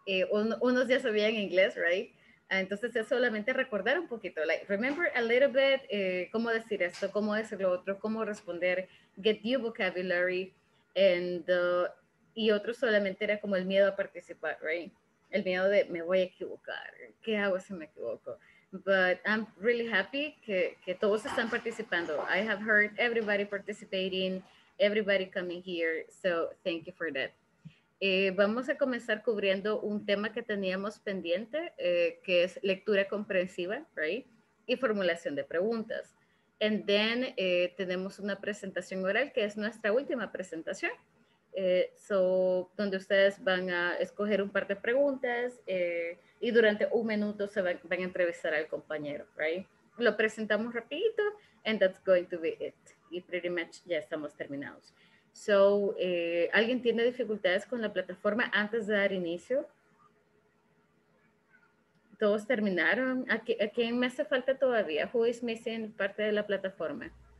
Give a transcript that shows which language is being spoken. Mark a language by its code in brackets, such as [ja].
[es] Unos ya sabían inglés, right? Entonces es solamente recordar un poquito, [en] like remember a little bit, [es] cómo decir esto, cómo decir lo otro, cómo responder, [en] get your vocabulary, and [es] y otro solamente era como el miedo a participar, right? El miedo de me voy a equivocar, ¿qué hago si me equivoco? [en] But I'm really happy [es] que todos están participando. [en] I have heard everybody participating, everybody coming here, so thank you for that. [es] Vamos a comenzar cubriendo un tema que teníamos pendiente, que es lectura comprensiva, right? Y formulación de preguntas. [en] And then [es] tenemos una presentación oral, que es nuestra última presentación. So, donde ustedes van a escoger un par de preguntas y durante un minuto se van a entrevistar al compañero, right? Lo presentamos rapidito, [en] and that's going to be it. [es] Y [en] pretty much [es] ya estamos terminados. So, ¿alguien tiene dificultades con la plataforma antes de dar inicio? ¿Todos terminaron? ¿A quién me hace falta todavía? [en] ¿Who is missing [es] parte de la plataforma?